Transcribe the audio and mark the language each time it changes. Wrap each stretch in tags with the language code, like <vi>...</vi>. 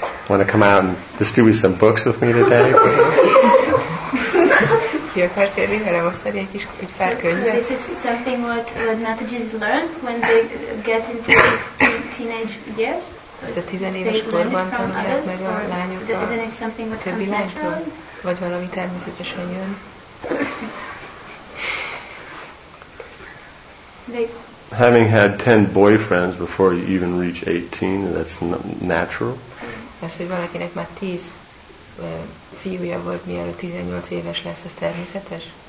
<en>Want to come out and distribute some books with me today?</en> <hu>Ki akarsz érni vele osztani egy kis egy pár könyvet?</hu> <en>So this is something what Natajis learn when they get into these teenage years?</en> <hu>A tizenéves korban tanulják meg a lányok a többi lánytól? Vagy valami természetesen jön?</hu> <en>Having had 10 boyfriends before you even reach 18, that's natural.</en> <hu>Az, hogy valakinek már 10 fiúja volt, mielőtt 18 éves lesz, ez természetes?</hu>